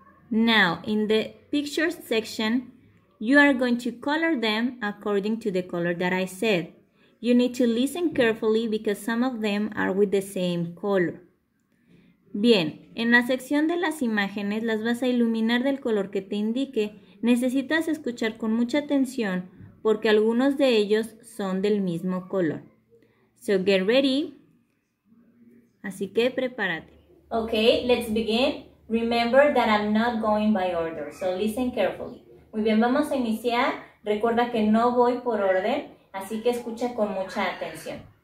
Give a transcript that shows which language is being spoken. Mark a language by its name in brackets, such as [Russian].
[English] Now, in the pictures section, you are going to color them according to the color that I said. You need to listen carefully because some of them are with the same color. [Spanish] Bien, en la sección de las imágenes las vas a iluminar del color que te indique. Necesitas escuchar con mucha atención porque algunos de ellos son del mismo color. [English] So, get ready. [Spanish] Así que prepárate. [English] Okay, let's begin. Remember that I'm not going by order, so listen carefully. [Spanish] Muy bien, vamos a iniciar. Recuerda que no voy por orden, así que escucha con mucha atención.